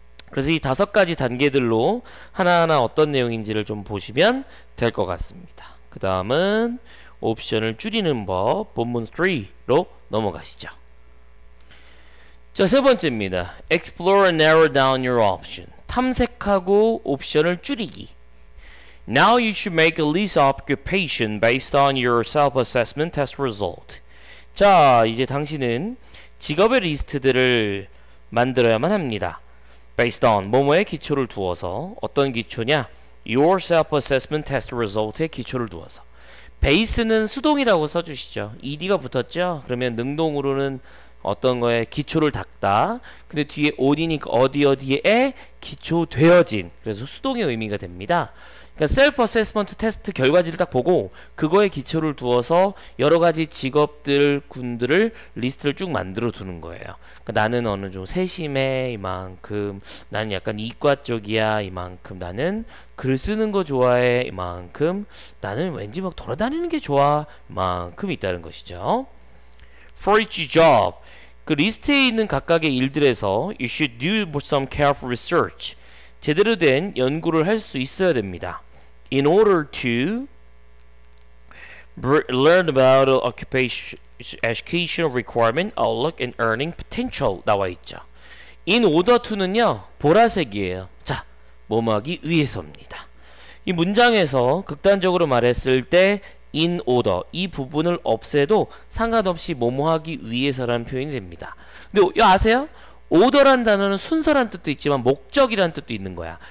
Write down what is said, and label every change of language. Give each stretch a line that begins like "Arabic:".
Korean: 그래서 이 다섯 가지 단계들로 하나하나 어떤 내용인지를 좀 보시면 될것 같습니다. 그 다음은 옵션을 줄이는 법, 본문 3로 넘어가시죠. 자, 세 번째입니다.
English: Explore and narrow down your option.
Korean: 탐색하고 옵션을 줄이기.
English: Now you should make a list of occupation based on your self-assessment test result.
Korean: 자, 이제 당신은 직업의 리스트들을 만들어야만 합니다. Based on 뭐뭐에 기초를 두어서, 어떤 기초냐?
English: Your self-assessment test result
Korean: 에 기초를 두어서. Base는 수동이라고 써주시죠. ED가 붙었죠? 그러면 능동으로는 어떤 거에 기초를 닦다. 근데 뒤에 on이니까 어디에 기초되어진. 그래서 수동의 의미가 됩니다. 그러니까 self-assessment 테스트 결과지를 딱 보고 그거에 기초를 두어서 여러 가지 직업들, 군들을 리스트를 쭉 만들어 두는 거예요. 그러니까 나는 어느 좀 세심해, 이만큼. 나는 약간 이과 쪽이야, 이만큼. 나는 글 쓰는 거 좋아해, 이만큼. 나는 왠지 막 돌아다니는 게 좋아, 이만큼 있다는 것이죠.
English: For each job,
Korean: 그 리스트에 있는 각각의 일들에서
English: you should do some careful research.
Korean: 제대로 된 연구를 할수 있어야 됩니다.
English: In order to learn about occupation requirement, outlook, and earning potential
Korean: 나와 있죠. In order to는요, 보라색이에요. 자, 뭐뭐하기 위해서입니다. 이 문장에서 극단적으로 말했을 때 in order 이 부분을 없애도 상관없이 뭐뭐하기 위해서라는 표현이 됩니다. 근데 이거 아세요? order란 단어는 순서란 뜻도 있지만 목적이란 뜻도 있는 거야.